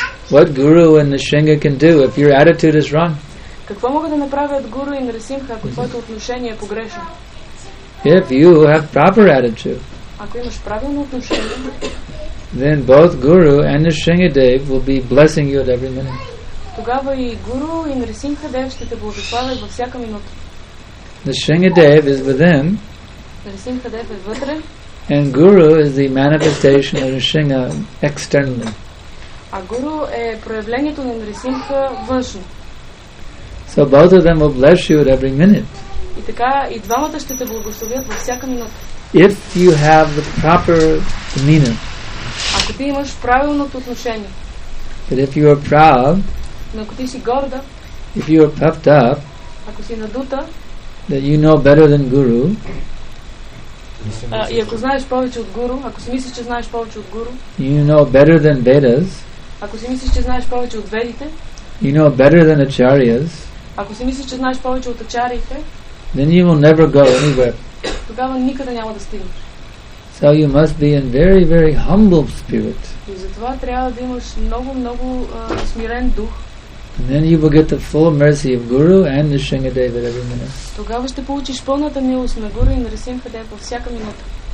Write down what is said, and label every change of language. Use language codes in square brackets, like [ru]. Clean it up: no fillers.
[en] What guru and Nrisimha can do if your attitude is wrong? [bg] Какво могат да направят гуру и Нрисимха, ако твоето отношение е погрешно? [en] If you have proper attitude, [bg] ако имаш правилно отношение, [en] then both guru and Nrisimha Dev will be blessing you at every minute. [bg] Тогава и гуру и Нрисимха Дев ще те благославят във всяка минута. [en] Nrisimha Dev is within. [bg] Нрисимха Дев е вътре. [en] And Guru is the manifestation of Nrisimha externally. [bg] А гуру е проявлението на Нарисимха външно. [en] So both of them will bless you at every minute. [bg] И така и двамата ще те благословят във всяка минута. [en] If you have the proper demeanor. [bg] Ако ти имаш правилното отношение. [en] But if you are proud. [bg] Но ако ти си горда. [en] If you are puffed up. [bg] Ако си надута. [en] That you know better than guru. [bg] И ако знаеш повече от гуру, ако си мислиш, че знаеш повече от гуру. [en] You know better than Vedas. [bg] Ако си мислиш, че знаеш повече от ведите. [en] You know better than acharyas. [bg] Ако си мислиш, че знаеш повече от ачарите. [en] Then you will never go anywhere. [bg] Тогава никъде няма да стигнеш. [en] So you must be in very, very humble spirit. [bg] И затова трябва да имаш много, много смирен дух. [en] And then you will get the full mercy of Guru and the Shringadeva every minute. [bg] Тогава ще получиш пълната милост на Гуру и на Нарисимхадева във всяка минута.